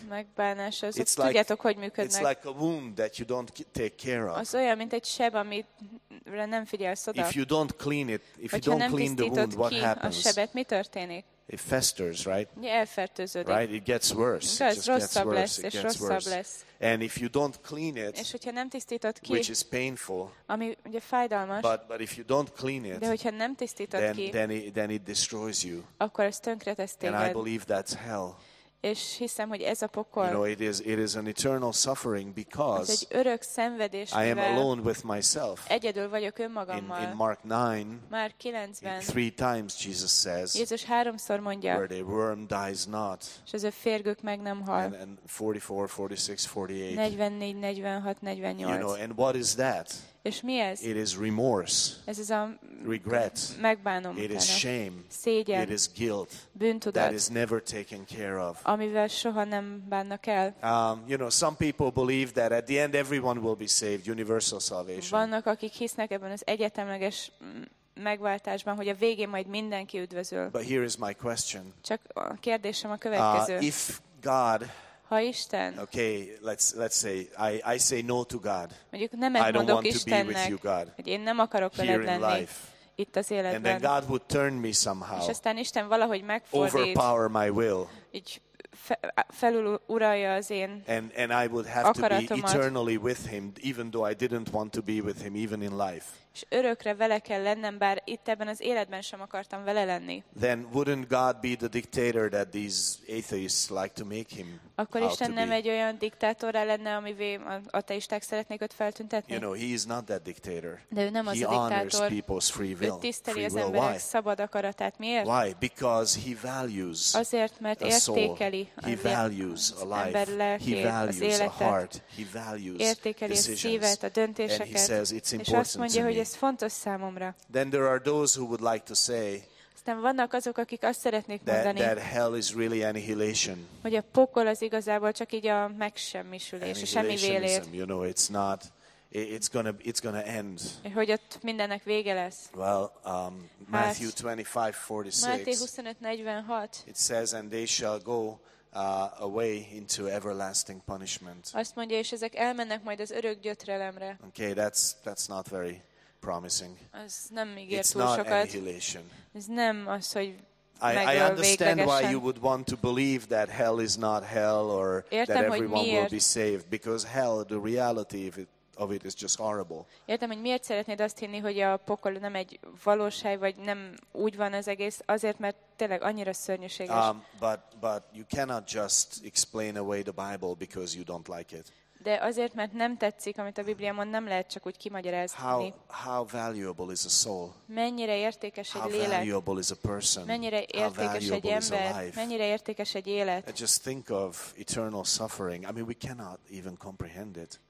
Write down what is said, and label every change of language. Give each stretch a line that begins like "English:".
Hungarian: Megbánás, az
English: like,
Hungarian: tudjátok, hogy működnek.
English: It's like a wound that you don't take care of.
Hungarian: Az olyan, mint egy seb, amire nem figyelsz oda.
English: If you don't clean it, if you don't clean the wound, what happens?
Hungarian: A sebet, mi történik?
English: it festers, right? Yeah,
Hungarian: fertőződik.
English: Right, it gets worse. Ja, it just gets worse.
Hungarian: Lesz,
English: it gets
Hungarian: rosszabb
English: worse.
Hungarian: Lesz.
English: And if you don't clean it,
Hungarian: és hogyha nem tisztítod ki,
English: which is painful,
Hungarian: ami ugye fájdalmas,
English: but if you don't clean it,
Hungarian: de hogyha nem tisztítod
English: then,
Hungarian: ki,
English: then it destroys you.
Hungarian: Akkor ez tönkretesz téged.
English: And I believe that's hell.
Hungarian: És hiszem, hogy ez a pokol.
English: You know, it is an eternal suffering because
Hungarian: az egy örök szenvedés,
English: I am alone with myself.
Hungarian: Egyedül vagyok önmagammal.
English: In Mark 9,
Hungarian: Mark 9-ben,
English: three times Jesus says,
Hungarian: Jézus háromszor mondja,
English: where the worm dies not,
Hungarian: és az a férgök meg nem hal.
English: And 44, 46, 48.
Hungarian: 44, 46, 48.
English: You know, and what is that?
Hungarian: És mi ez?
English: It is remorse.
Hungarian: Ez az a
English: regret.
Hungarian: Megbánom.
English: It is shame.
Hungarian: Szégyen.
English: It is guilt.
Hungarian: Bűntudat.
English: That is never taken care of.
Hungarian: Amivel soha nem bánnak el.
English: You know, some people believe that at the end everyone will be saved, universal salvation.
Hungarian: Vannak, akik hisznek ebben az egyetemleges megváltásban, hogy a végén majd mindenki üdvözül.
English: But here is my question.
Hungarian: Csak a kérdésem a következő.
English: If God,
Hungarian: ha Isten,
English: okay, let's say I say no to God.
Hungarian: Mondjuk nemet
English: I don't
Hungarian: mondok
English: want
Hungarian: Istennek,
English: to be with you, God.
Hungarian: Hogy én nem akarok veled lenni itt az életben.
English: And then God would turn me somehow.
Hungarian: És aztán Isten valahogy megfordít.
English: Overpower my will.
Hungarian: Így felül uralja az én
English: and I would have
Hungarian: akaratomat.
English: To be eternally with him even though I didn't want to be with him even in life.
Hungarian: És örökre vele kell lennem, bár itt ebben az életben sem akartam vele lenni.
English: Then wouldn't God be the dictator that these atheists like to make him?
Hungarian: Akkor Isten nem egy olyan diktátorra lenne, amivé ateisták szeretnék őt feltüntetni?
English: You know, he is not that dictator.
Hungarian: De ő nem az
English: he
Hungarian: a diktátor.
English: He honors free will.
Hungarian: Ő tiszteli az emberek
English: why?
Hungarian: Szabad akaratát. Miért?
English: Why? Because he values
Hungarian: azért, mert értékeli
English: he values a life.
Hungarian: Ember lelkét,
English: he values
Hungarian: az életet.
English: A heart. He values
Hungarian: értékeli
English: decisions.
Hungarian: A szívet, a döntéseket.
English: And he says it's important
Hungarian: és azt mondja, hogy ez fontos számomra.
English: Then there are those who would like to say
Hungarian: aztán vannak azok, akik azt szeretnék mondani,
English: that hell is really annihilation.
Hungarian: Hogy a pokol az igazából csak így a megsemmisülés, a semmi vélét.
English: You know, it's not, it's gonna end.
Hungarian: Hogy ott mindennek vége lesz.
English: Well, Matthew 25:46.
Hungarian: Máté 25:46.
English: It says, and they shall go away into everlasting punishment.
Hungarian: Azt mondja, és ezek elmennek majd az örök gyötrelemre.
English: Okay, that's not very promising.
Hungarian: Ez nem ígér
English: it's
Hungarian: túl
English: not
Hungarian: sokat.
English: Annihilation.
Hungarian: Ez nem az, hogy
English: I understand
Hungarian: véglegesen.
English: Why you would want to believe that hell is not hell or
Hungarian: értem,
English: that everyone
Hungarian: miért
English: will be saved because hell, the reality of it is just horrible.
Hungarian: Értem, hogy miért szeretnéd azt hinni, hogy a pokol nem egy valóság, vagy nem úgy van az egész, azért, mert tényleg annyira szörnyűséges.
English: But you cannot just explain away the Bible because you don't like it.
Hungarian: De azért, mert nem tetszik, amit a Biblia mond, nem lehet csak úgy kimagyarázni.
English: How valuable is a soul?
Hungarian: Mennyire értékes egy lélek?
English: How valuable is a person?
Hungarian: Mennyire értékes egy ember? Mennyire értékes egy élet?
English: Just think of eternal suffering. I mean, we cannot even comprehend it.